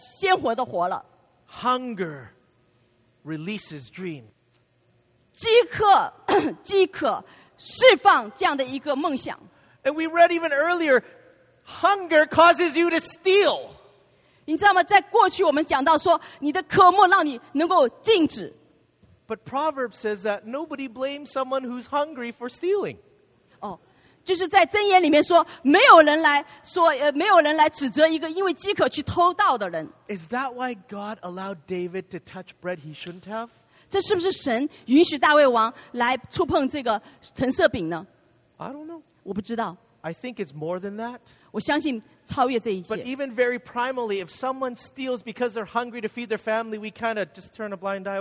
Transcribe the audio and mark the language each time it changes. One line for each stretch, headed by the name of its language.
Chinese: 所以这些人就停止追求了，以至于他们实际上是停止鲜活的活了。
English: Hunger releases dream.
Chinese: 饥渴释放这样的一个梦想。
English: And we read even earlier, hunger causes you to steal.
Chinese: 你知道吗？在过去我们讲到说，你的渴慕让你能够禁止。
English: But Proverbs says that nobody blames someone who's hungry for stealing.
Chinese: 哦，就是在箴言里面说，没有人来指责一个因为饥渴去偷盗的人。
English: Is that why God allowed David to touch bread he shouldn't have?
Chinese: 这是不是神允许大卫王来触碰这个陈设饼呢？
English: I don't know.
Chinese: 我不知道。
English: I think it's more than that.
Chinese: 我相信。
English: But even very primally, if someone steals because they're hungry to feed their family, we kind of just turn a blind eye.